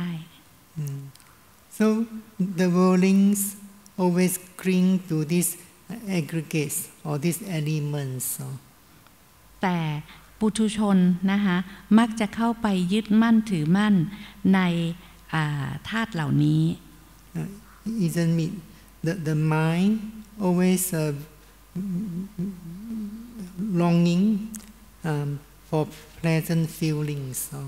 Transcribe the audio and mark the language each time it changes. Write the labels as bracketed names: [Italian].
[English] so the worldlings always cling to these aggregates or these elements so [Thai] แต่ปุถุชนนะคะมักจะเข้าไปยึดมั่นถือมั่นในธาตุเหล่านี้ [English] isn't it the mind always longing for pleasant feelings